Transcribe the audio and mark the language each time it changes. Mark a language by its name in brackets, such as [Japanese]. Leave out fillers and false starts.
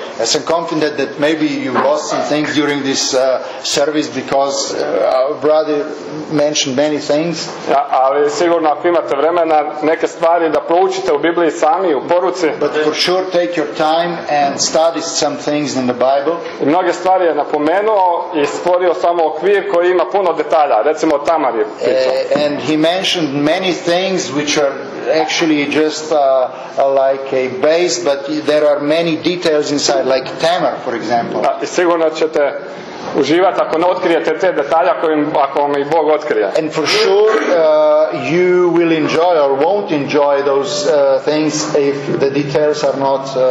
[English] Yes, I'm confident that maybe you lost some things during this service because our brother mentioned many things. [Croatian] Ja, ali sigurno ako imate vremena neke stvari da proučite u Bibliji sami u poruci. [English] But for sure take your time and study some things in the Bible. [Croatian] I mnoge stvari je napomenuo i stvorio samo okvir koji ima puno detalja, recimo Tamar je pričao. [English] And he mentioned many things which are actually just like a base, but there are many details inside, like Tamar, for example. [Croatian] Da, i sigurno ćete uživati ako ne otkrijete te detalje ako vam i Bog otkrije. [English] And for sure you will enjoy or won't enjoy those things if the details are not